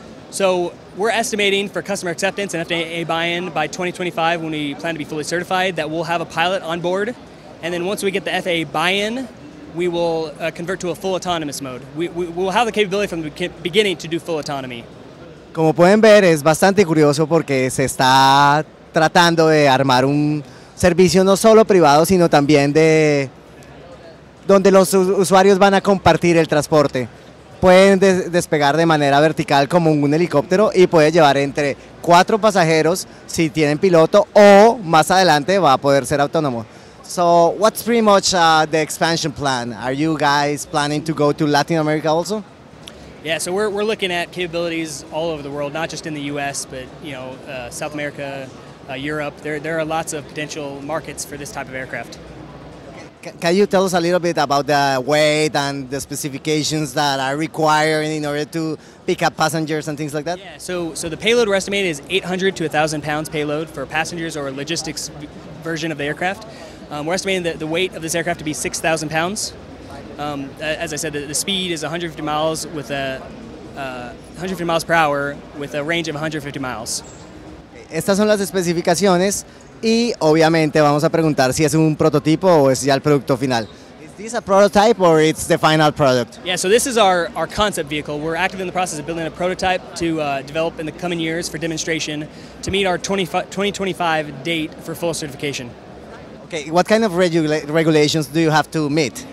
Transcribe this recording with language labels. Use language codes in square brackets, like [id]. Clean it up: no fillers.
[en] So we're estimating for customer acceptance and FAA buy-in by 2025, when we plan to be fully certified, that we'll have a pilot on board. And then once we get the FAA buy-in, we will convert to a full autonomous mode. We'll have the capability from the beginning to do full autonomy. [es] Como pueden ver, es bastante curioso porque se está tratando de armar un servicio no solo privado, sino también de donde los usuarios van a compartir el transporte. Pueden despegar de manera vertical como un helicóptero y puede llevar entre cuatro pasajeros si tienen piloto, o más adelante va a poder ser autónomo. [en] So what's pretty much the expansion plan? Are you guys planning to go to Latin America also? Yeah, so we're looking at capabilities all over the world, not just in the US, but you know, South America, Europe. There are lots of potential markets for this type of aircraft. Can you tell us a little bit about the weight and the specifications that are required in order to pick up passengers and things like that? Yeah, so the payload we're estimating is 800 to 1,000 pounds payload for passengers or a logistics version of the aircraft. We're estimating that the weight of this aircraft to be 6,000 pounds. As I said, the speed is 150 miles with a 150 miles per hour with a range of 150 miles. [es] Estas son las especificaciones y obviamente vamos a preguntar si es un prototipo o es ya el producto final. [en] Is this a prototype or it's the final product? Yeah, so this is our concept vehicle. We're active in the process of building a prototype to develop in the coming years for demonstration to meet our 2025 date for full certification. Okay, what kind of regulations do you have to meet?